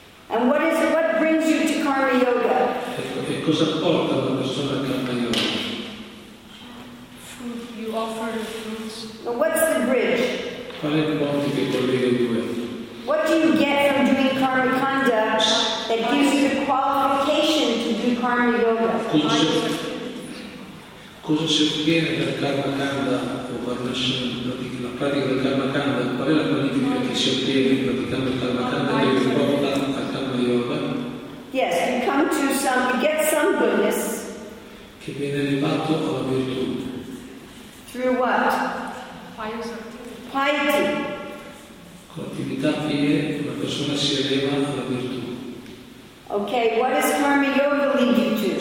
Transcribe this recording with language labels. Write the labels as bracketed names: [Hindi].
[English] And what brings you to Karma Yoga? [Italian] E cosa porta una persona al Karma Yoga? [English] Fruit, you offer the fruits. Now what's the bridge? [Italian] Qual è il ponte che collega i due? [English] What do you get from doing Karma Kanda that gives you the qualification to do Karma Yoga? [Italian] Cosa si ottiene dal Karma Kanda o la pratica del Karma Kanda? Qual è la qualifica che si ottiene praticando il Karma Kanda che vi porta al Karma Yoga? [English] Yes, you come to some, you get some goodness. [Italian] Che viene arrivato alla virtù. [English] Through what? Piety. [Italian] Con attività pie, una persona si eleva alla virtù. [English] Okay, what does Karma Yoga lead you to?